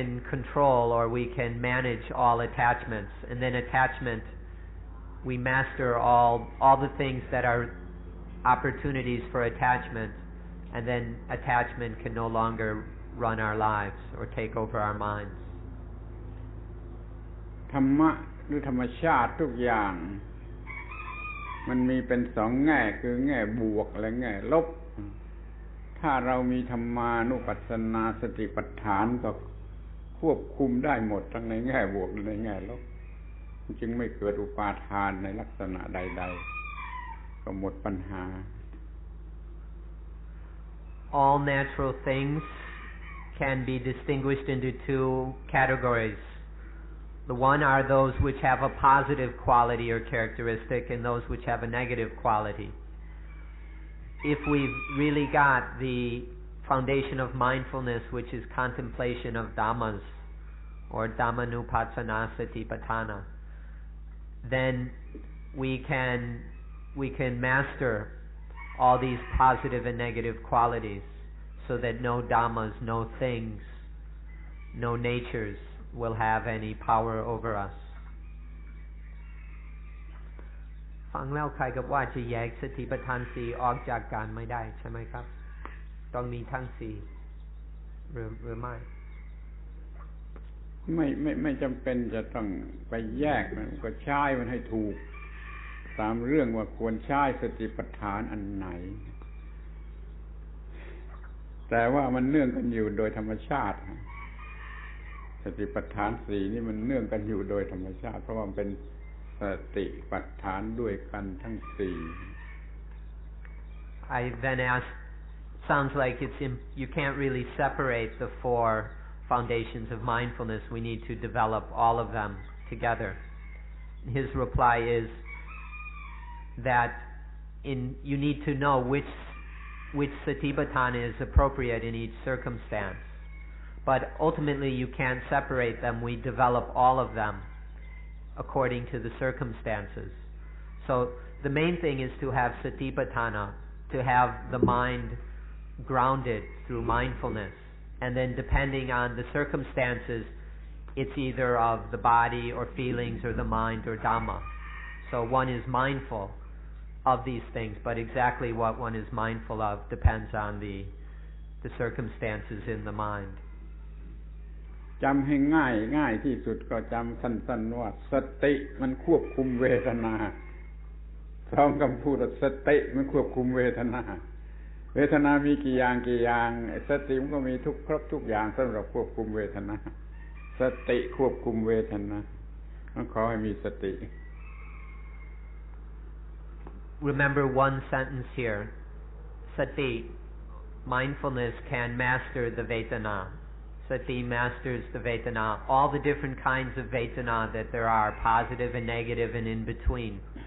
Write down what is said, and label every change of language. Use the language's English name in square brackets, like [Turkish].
[English] control or we can manage all attachments and then attachment we master all the things that are opportunities for attachment and then attachment can no longer run our lives or take over our minds [Thai] ธรรมะหรือธรรมชาติทุกอย่างมันมีเป็น2แง่คือแง่บวกและแง่ลบถ้าเรามีธรรมานุปัสสนาสติปัฏฐานก็ควบคุมได้หมดทั้งในแง่บวกและในแง่ลบจึงไม่เกิดอุปาทานในลักษณะใดๆก็หมดปัญหา [English] All natural things can be distinguished into two categories The one are those which have a positive quality or characteristic and those which have a negative qualityIf we've really got the foundation of mindfulness, which is contemplation of dhammas, or dhammanupassana satipatthana, then we can master all these positive and negative qualities so that no dhammas, no things, no natures will have any power over us. [Thai] ฟังแล้วใครก็ว่าจะแยกสติปัฏฐาน4ออกจากกันไม่ได้ใช่ไหมครับต้องมีทั้ง4หรือไม่ จำเป็นจะต้องไปแยกมันก็ใช้มันให้ถูกตามเรื่องว่าควรใช้สติปัฏฐานอันไหนแต่ว่ามันเนื่องกันอยู่โดยธรรมชาติสติปัฏฐาน4นี่มันเนื่องกันอยู่โดยธรรมชาติเพราะว่ามันเป็นส ติปัฏฐานด้วยกันทั้ง4 [English] I then asked, sounds like it's you can't really separate the four foundations of mindfulness. We need to develop all of them together. His reply is that you need to know which satipatthana is appropriate in each circumstance. But ultimately you can't separate them. We develop all of them according to the circumstances. So the main thing is to have satipatthana, to have the mind grounded through mindfulness. And then depending on the circumstances, it's either of the body or feelings or the mind or Dhamma. So one is mindful of these things, but exactly what one is mindful of depends on the circumstances in the mind. [Thai] จำให้ง่ายง่ายที่สุดก็จำสั้นๆว่าสติมันควบคุมเวทนาพร้อมคำพูดว่าสติมันควบคุมเวทนาเวทนามีกี่อย่างกี่อย่างสติมันก็มีทุกครบทุกอย่างสำหรับควบคุมเวทนาสติควบคุมเวทนาต้องขอให้มีสติ [English] Remember one sentence here. Sati, mindfulness can master the vetana. Sati masters the vetana. All the different kinds of vetana that there are, positive and negative and in between.